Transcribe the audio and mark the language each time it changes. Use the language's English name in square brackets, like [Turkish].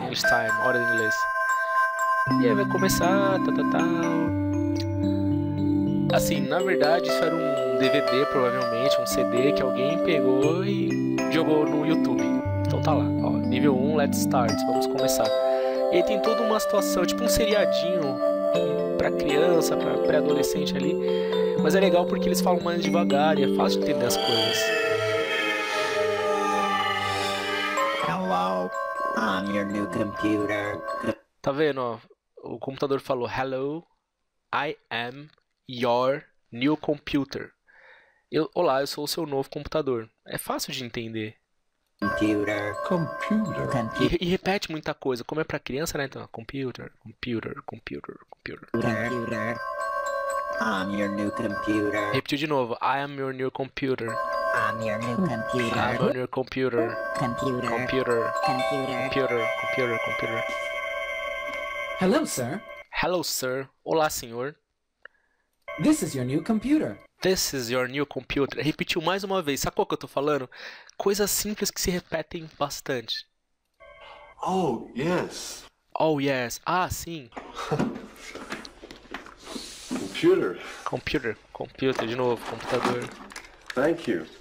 [English] English time, [Portuguese] hora do inglês. E aí vai começar, assim, na verdade isso era um DVD, provavelmente, um CD que alguém pegou e jogou no YouTube. Então tá lá, ó, nível 1, [English] let's start, [Portuguese] vamos começar. E aí tem toda uma situação, tipo um seriadinho pra criança, pra pré-adolescente ali. Mas é legal porque eles falam mais devagar e é fácil de entender as coisas. [English] Hello, I'm your new computer. [Portuguese] Tá vendo, ó? O computador falou: [English] Hello, I am your new computer. [Portuguese] Olá, eu sou o seu novo computador. É fácil de entender. [English] Computer. [Portuguese] E repete muita coisa. Como é pra criança, né? Então, computer, computer, computer, computer, [English] Computer. I'm your new computer. computer. [Portuguese] Repetiu de novo: [English] I am your new computer. I'm Computer. your new computer. Computer. Computer. computer, computer, computer. Hello, sir. Hello, sir. [Portuguese] Olá, senhor. [English] This is your new computer. This is your new computer. [Portuguese] Repetiu mais uma vez. Sacou o que eu tô falando? Coisas simples que se repetem bastante. [English] Oh, yes. Oh, yes. [Portuguese] Ah, sim. [English] Computer. [Portuguese] Computer. Computer, de novo. Computador. [English] Thank you.